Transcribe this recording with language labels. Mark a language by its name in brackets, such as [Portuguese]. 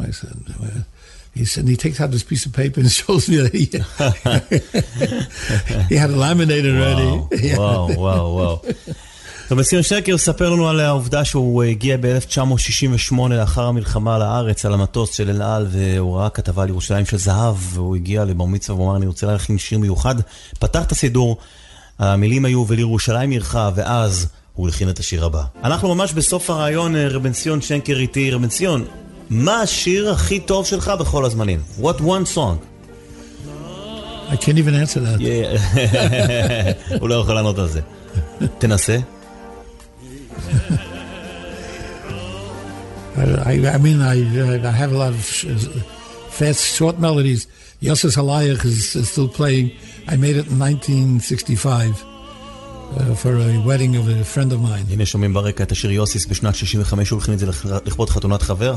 [English] I said, well, he said, he takes out this piece of paper and shows me that he had a laminated already. Wow. [Hebrew] טוב, סימן שקר ספר לנו על העובדה שהוא הגיע ב-1968 לאחר המלחמה לארץ על המטוס של אל על, והוא ראה כתבה על ירושלים של זהב, והוא הגיע לבר מצווה ואומר, אני רוצה ללכת עם שיר מיוחד. פתח את הסידור, המילים היו ולירושלים ירחה, ואז הוא לכין את השיר הבא. אנחנו ממש בסוף הרעיון, רבן ציון שקר איתי. רבן ציון, מה השיר הכי טוב שלך בכל הזמנים? [English] What one song? I can't even answer that. [Hebrew] Yeah. הוא לא יכול לענות על זה. תנסה. [English] I have a lot of fast short melodies. Yosef Halayach is still playing. I made it in 1965. for a wedding of a friend of mine. [Hebrew] הנה שומעים ברקע את השיר יוסיס בשנת 65, הולכים את זה לכבוד חתונת חבר.